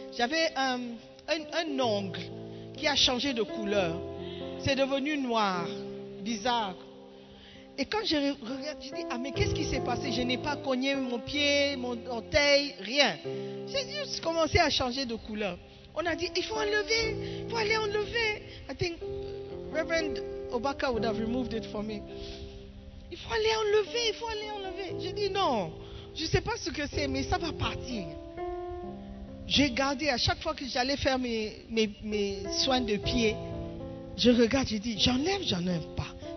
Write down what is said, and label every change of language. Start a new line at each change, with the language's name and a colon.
French: J'avais un ongle qui a changé de couleur. C'est devenu noir, bizarre. Et quand je regarde, je dis, ah mais qu'est-ce qui s'est passé? Je n'ai pas cogné mon pied, mon orteil, rien. J'ai juste commencé à changer de couleur. On a dit, il faut enlever, il faut aller enlever.
English: I think Reverend Obaka would have removed it for me.
French: Il faut aller enlever, il faut aller enlever. J'ai dit, non, je ne sais pas ce que c'est, mais ça va partir. J'ai gardé, à chaque fois que j'allais faire mes soins de pied, je regarde, je dis, j'enlève pas.